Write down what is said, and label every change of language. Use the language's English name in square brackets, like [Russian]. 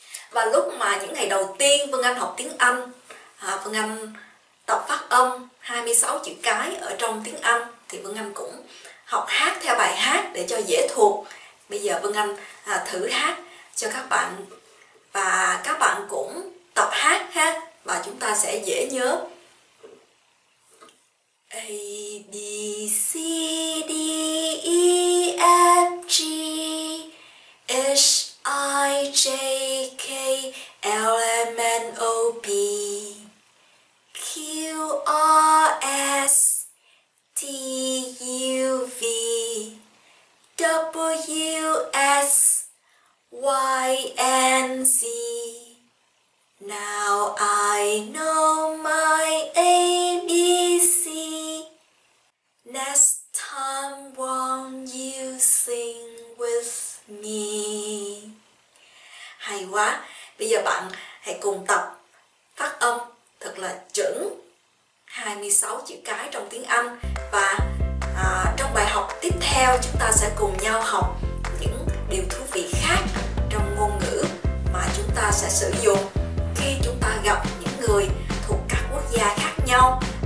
[Vietnamese] Và lúc mà những ngày đầu tiên Vân Anh học tiếng Anh, Vân Anh tập phát âm 26 chữ cái ở trong tiếng Anh thì Vân Anh cũng học hát theo bài hát để cho dễ thuộc. Bây giờ Vân Anh thử hát cho các bạn và các bạn cũng tập hát ha, và chúng ta sẽ dễ nhớ. [English] A B C D E F G H I J K L M N O P Q R S T U V W S Y N Z. Now I know my A B C. Next time won't you sing with me? [Vietnamese] Hay quá! Bây giờ bạn hãy cùng tập phát âm thật là chuẩn 26 chữ cái trong tiếng Anh. Và trong bài học tiếp theo chúng ta sẽ cùng nhau học những điều thú vị khác trong ngôn ngữ mà chúng ta sẽ sử dụng khi chúng ta gặp những người thuộc các quốc gia khác nhau.